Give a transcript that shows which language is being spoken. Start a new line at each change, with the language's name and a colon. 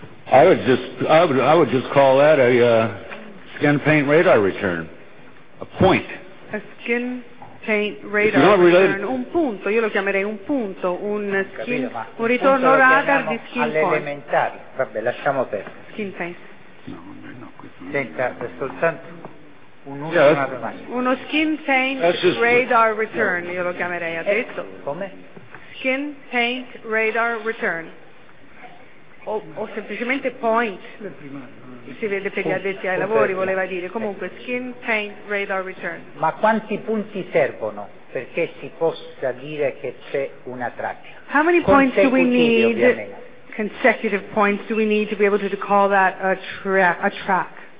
English: I would just call that a skin paint radar return, a point. A skin paint radar not
Italian: return, un punto, io lo chiamerei un punto, un ritorno radar di skin paint. All'elementare, vabbè, lasciamo perdere. Skin paint. Senta, è soltanto un'ultima domanda. Uno skin paint radar return, io lo chiamerei adesso. Come? Skin paint radar return. O semplicemente point. Si vede per gli addetti ai lavori, voleva dire. Comunque, skin paint radar return. Ma quanti punti servono perché si possa dire che c'è una traccia?
English: How many points do we need, consecutive points, do we need to be able to call that a track?